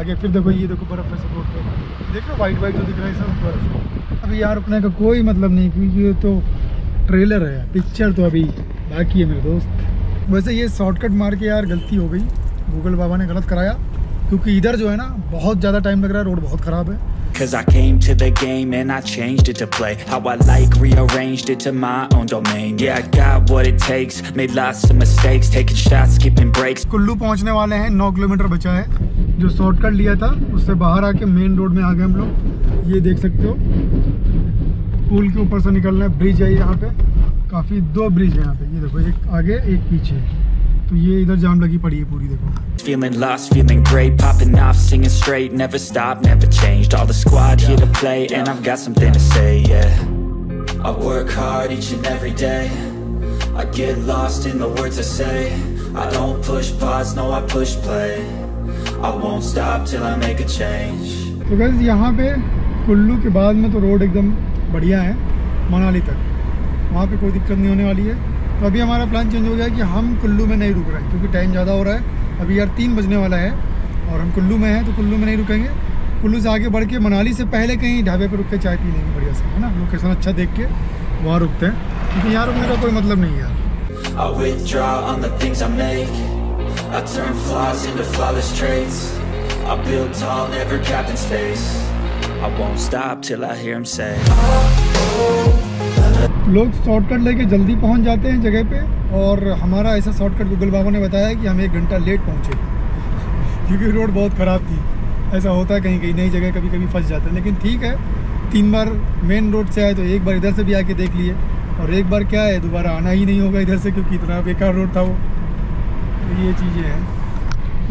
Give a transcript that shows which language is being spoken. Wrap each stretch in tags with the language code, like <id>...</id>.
<hi>आगे फिर देखो ये देखो बर्फ़ है, सपोर्ट पे देख रहे हो वाइट वाइट जो दिख रहा है सब बर्फ़। अभी यहाँ रुकने का कोई मतलब नहीं क्योंकि ये तो ट्रेलर है, पिक्चर तो अभी बाकी है मेरे दोस्त। वैसे ये शॉर्टकट मार के यार गलती हो गई, गूगल बाबा ने गलत कराया, क्योंकि इधर जो है ना बहुत ज़्यादा टाइम लग रहा है, रोड बहुत ख़राब है।</hi> <en>Cause I came to the game and I changed it to play. How I like rearranged it to my own domain. Yeah, I got what it takes. Made lots of mistakes, taking shots, skipping breaks.</en> <hi>Kullu पहुंचने वाले हैं, 9 kilometre बचा है, जो shortcut लिया था उससे बाहर आके मेन रोड में आ गए हम लोग। ये देख सकते हो पुल के ऊपर से निकल रहे हैं, ब्रिज है यहाँ पे, काफी दो ब्रिज है यहाँ पे, ये देखो एक आगे एक पीछे, तो ये इधर जाम लगी पड़ी है पूरी, देखो।</hi> <en>Feeling lost, feeling great, popping off, singing straight, never stopped, never changed. All the squad here to play, and I've got something to say, yeah. I work hard each and every day. I get lost in the words I say. I don't push pause, no, I push play. I won't stop till I make a change.</en> <hi>तो guys यहाँ पे कुल्लू के बाद में तो road एकदम बढ़िया है मनाली तक, वहाँ पे कोई दिक्कत नहीं होने वाली है। तो अभी हमारा प्लान चेंज हो गया कि हम कुल्लू में नहीं रुक रहे, क्योंकि टाइम ज़्यादा हो रहा है, अभी यार 3 बजने वाला है और हम कुल्लू में हैं, तो कुल्लू में नहीं रुकेंगे, कुल्लू से आगे बढ़ के मनाली से पहले कहीं ढाबे पर रुक के चाय पी लेंगे बढ़िया से, है ना, लोकेशन अच्छा देख के वहाँ रुकते हैं, क्योंकि यहाँ रुकने का कोई मतलब नहीं है।</hi> <en>I withdraw on the things I make. I turn flaws into flawless traits. I build tall, never capped in space. I won't stop till I hear him say.</en> <hi>लोग शॉर्टकट लेके जल्दी पहुंच जाते हैं जगह पे, और हमारा ऐसा शॉर्टकट गूगल बाबा ने बताया कि हम 1 घंटा लेट पहुंचे क्योंकि रोड बहुत ख़राब थी। ऐसा होता है कहीं कहीं नई जगह कभी कभी फंस जाते हैं, लेकिन ठीक है 3 बार मेन रोड से आए तो एक बार इधर से भी आके देख लिए, और एक बार क्या है दोबारा आना ही नहीं होगा इधर से क्योंकि इतना बेकार रोड था वो, तो ये चीज़ें हैं।</hi>